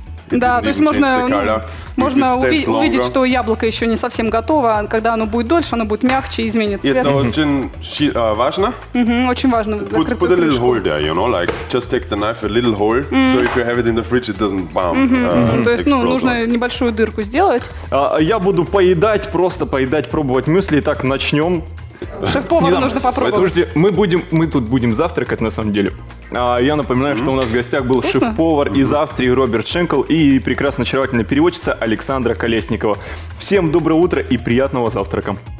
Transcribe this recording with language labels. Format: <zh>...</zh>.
<ru>Да, то есть можно увидеть, что яблоко еще не совсем готово. Когда оно будет дольше, оно будет мягче, изменит цвет. Это очень важно. Очень важно.</ru> <en>Put a little hole there, you know, like just take the knife a little hole, so if you have it in the fridge, it doesn't bam.</en> <ru>То есть, нужно небольшую дырку сделать. Я буду поедать, пробовать мюсли. Итак, начнем. Шеф-повар, нужно попробовать. Подожди, мы тут будем завтракать на самом деле. Я напоминаю, что у нас в гостях был шеф-повар из Австрии Роберт Шенкл и прекрасно очаровательная переводчица Александра Колесникова. Всем доброе утро и приятного завтрака!</ru>